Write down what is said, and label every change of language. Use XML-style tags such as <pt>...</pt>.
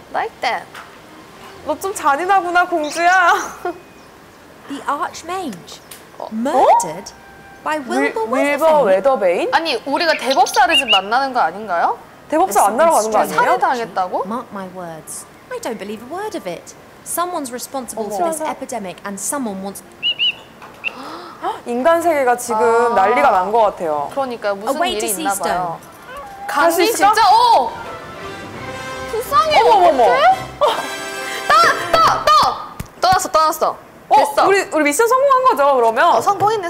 <en>Right then.</en> <ko>너 좀 잔인하구나, 공주야.</ko> <en>The Archmage murdered. By Wilbur Weatherbane?</en> <ko>아니, 우리가 대법사를 지금 만나는 거 아닌가요? 대법사 만나러 가는 거 아니에요? 살해당했다고?</ko> <en>Mark my words. I don't believe a word of it. Someone's responsible for this epidemic and someone wants...</en> <ko>인간 세계가 지금 난리가 난 거 같아요. 그러니까 무슨 일이 있나 봐요. 갈 수 있을까? 진짜? 불쌍해. 어머머머. 떠! 떠났어. 됐어. 우리 미션 성공한 거죠, 그러면?</ko>